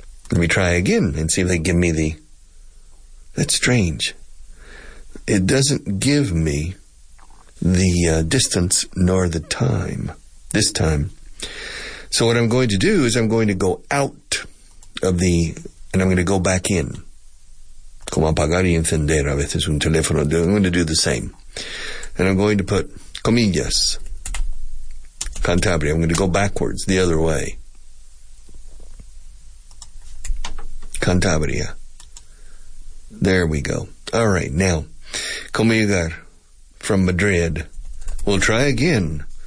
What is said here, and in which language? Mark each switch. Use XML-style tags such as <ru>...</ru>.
<en>Let me try again and see if they give me the... That's strange. It doesn't give me the distance nor the time this time. So what I'm going to do is I'm going to go out of the... And I'm going to go back in.</en> <es>Como apagar y encender a veces un teléfono.</es> <en>I'm going to do the same. And I'm going to put Comillas, Cantabria. I'm going to go backwards, the other way. Cantabria. There we go. All right, now,</en> <es>como llegar</es> <en>from Madrid. We'll try again.</en>